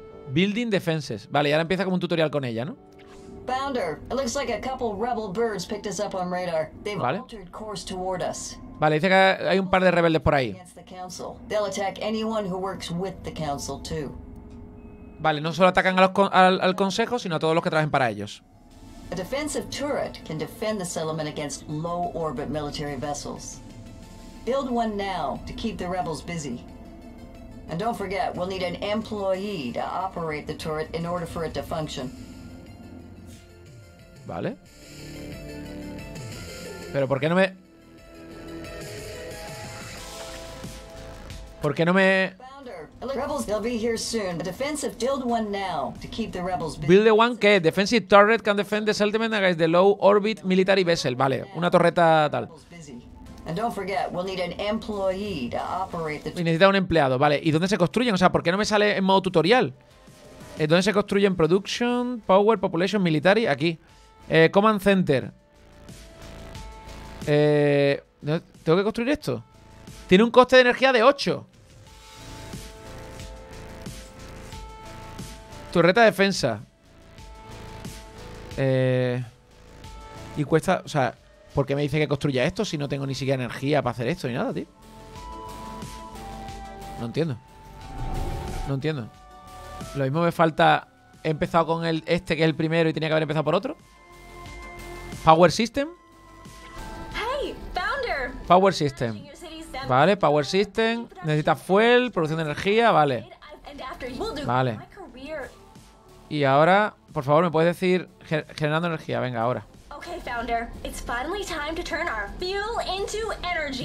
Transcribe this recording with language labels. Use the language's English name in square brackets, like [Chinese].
[English] Building defenses. [Spanish] Vale, y ahora empieza como un tutorial con ella, ¿no? [English] Bounder, it looks like a couple rebel birds picked us up on radar. They've altered course toward us. [Spanish] Vale, dice que hay un par de rebeldes por ahí. [English] They'll attack anyone who works with the council too. [Spanish] Vale, no solo atacan a al consejo, sino a todos los que trabajen para ellos. [English] A defensive turret can defend the settlement against low orbit military vessels. Build one now to keep the rebels busy. And don't forget, we'll need an employee to operate the turret in order for it to function. [Spanish] Vale. Pero ¿por qué no me...? ¿Por qué no me...? [English] Rebels, they'll be here soon. A defensive build one now to keep the rebels busy. Build the one que defensive turret can defend the settlement against the low orbit military vessel. [Spanish] Vale, una torreta tal. [English] And don't forget, we'll need an employee to operate the... [Spanish] Y necesita un empleado, vale. ¿Y dónde se construyen? O sea, ¿por qué no me sale en modo tutorial? ¿Dónde se construyen? Production, power, population, military. Aquí. Command center. ¿Tengo que construir esto? Tiene un coste de energía de 8. Torreta de defensa. Y cuesta... O sea, ¿por qué me dice que construya esto si no tengo ni siquiera energía para hacer esto ni nada, tío? No entiendo. Lo mismo me falta... He empezado con este que es el primero y tenía que haber empezado por otro. [English] Power System. Hey, Founder. [Spanish] Power System. Vale, Power System. Necesita fuel, producción de energía, vale. Vale. Y ahora, por favor, me puedes decir generando energía. Venga, ahora. [English] Okay, Founder. It's finally time to turn our fuel into energy.